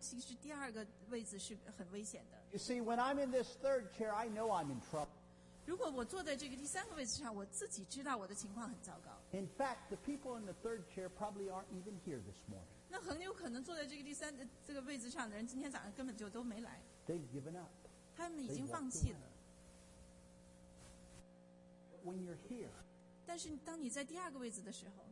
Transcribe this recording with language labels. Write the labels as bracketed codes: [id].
[zh] 但是当我上个星期在学习，在准备讲到的时候，我发现其实第二个位置是很危险的。 [en] You see, when I'm in this third chair, I know I'm in trouble. [zh] 如果我坐在这个第三个位置上，我自己知道我的情况很糟糕。 [en] In fact, the people in the third chair probably aren't even here this morning. [zh] 那很有可能坐在这个位置上的人今天早上根本就都没来。 [en] They've given up. [zh] 他们已经放弃了。 [en] When you're here, [zh] 但是当你在第二个位置的时候,